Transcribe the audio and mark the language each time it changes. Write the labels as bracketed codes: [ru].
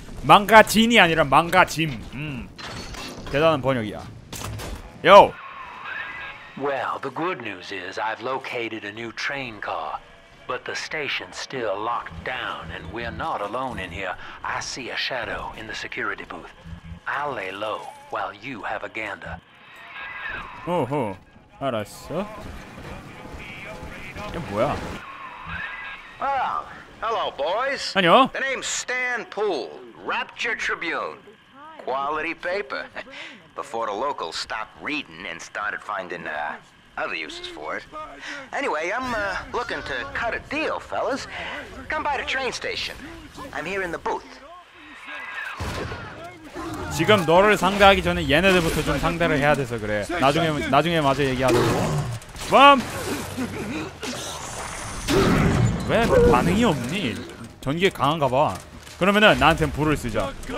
[ko] 망가진이 아니라 망가짐. 대단한 번역이야. 요! [en] Well, the good news is I've located a new train car. But the station's still locked down, and we're not alone in here. I see a shadow in the security booth. I'll lay low while you have a gander. [ko] 오호, 알았어. 이게 뭐야? [en] Well, hello, boys. [ko] 안녕. [en] The name's Stan Poole, Rapture Tribune. Quality paper. Before the locals stopped reading and started finding other uses for it. Anyway, I'm looking to cut a deal, fellas. Come by the train station. I'm here in the booth. [ko] 지금 너를 상대하기 전에 얘네들부터 좀 상대를 해야 돼서 그래. 나중에 마저 얘기하자고. 빰! 왜 반응이 없니? 전기에 강한가 봐. 그러면은 나한텐 불을 쓰자.